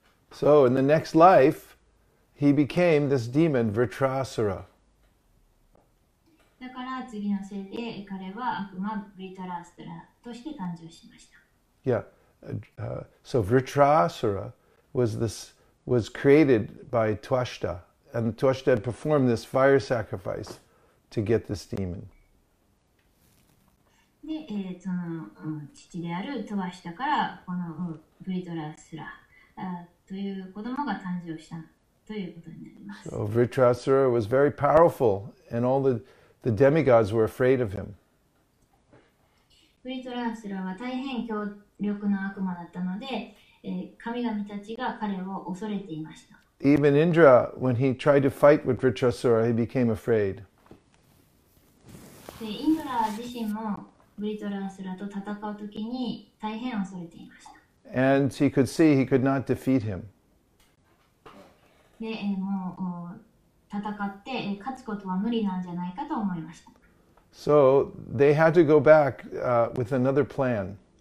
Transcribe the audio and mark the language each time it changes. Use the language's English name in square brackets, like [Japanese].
[English] So in the next life, he became this demon, Vritrasura. [Japanese] だから次の世で彼は悪魔、ヴリトラストラとして誕生しました。 [English] Yeah. So Vritrasura was created by Tvashta and Toshdad performed this fire sacrifice to get this demon. [Japanese] で、その父であるトワシタからこのブリトラスラという子供が誕生したということになります。 [English] So, Vritrasura was very powerful, and all the demigods were afraid of him. [Japanese] ブリトラスラは大変強力な悪魔だったので、神々たちが彼を恐れていました。 [English] Even Indra, when he tried to fight with Vritrasura, he became afraid. [Japanese] で、インドラ自身もブリトラスラと戦うときに大変恐れていました。 [English] And he could see he could not defeat him. [Japanese] で、もう戦って勝つことは無理なんじゃないかと思いました。 [English] So they had to go back with another plan.